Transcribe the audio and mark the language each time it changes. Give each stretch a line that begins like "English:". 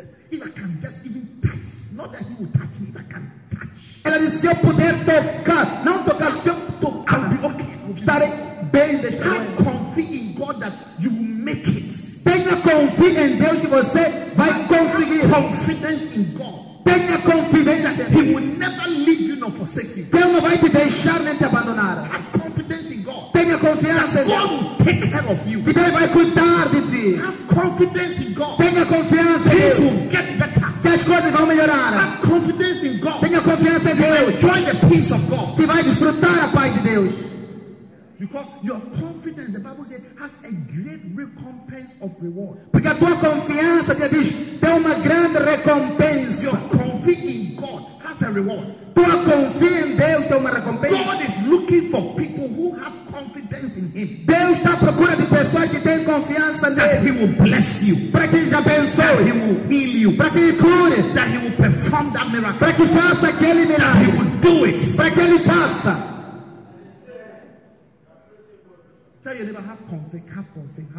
English: If I can just even touch, not that he will touch me, if I can touch.
Portuguese: Ela disse, se eu puder tocar, não tocar, se eu tocar,
English: I'll be okay.
Portuguese: Estarei bem deste lado.
English: Have confidence in God that you will make it.
Portuguese: Tenha confiança em Deus que você vai conseguir.
English: Have confidence in God.
Portuguese: Tenha confidência.
English: He will never leave you nor forsake you.
Portuguese: Deus não vai te deixar nem te abandonar.
English: Have confidence in God.
Portuguese: Tenha confiança.
English: God will take care of you.
Portuguese: Que Deus vai cuidar de ti.
English: Have confidence in God.
Portuguese: Tenha confiança.
English: Things will get better.
Portuguese: Que as coisas vão melhorar.
English: Have confidence in God.
Portuguese: Tenha confiança em Deus.
English: Enjoy the peace of God.
Portuguese: Que vai desfrutar a paz de Deus.
English: Because your confidence, the Bible says, has a great recompense of reward.
Portuguese: Porque a tua confiança, Deus diz, tem uma grande recompensa.
English: Your confidence in God has a reward.
Portuguese: Tua confiança em Deus tem uma recompensa.
English: God is looking for people who have confidence in Him.
Portuguese: Deus está procurando de pessoas que têm confiança nele.
English: That He will bless you.
Portuguese: Para que Ele te abençoe.
English: That He will heal you.
Portuguese: Para que Ele cure.
English: That He will perform that miracle.
Portuguese: Para que faça aquele milagre.
English: That He will do it.
Portuguese: Para que Ele faça.
English: Tell your neighbor, have confidence, have confidence.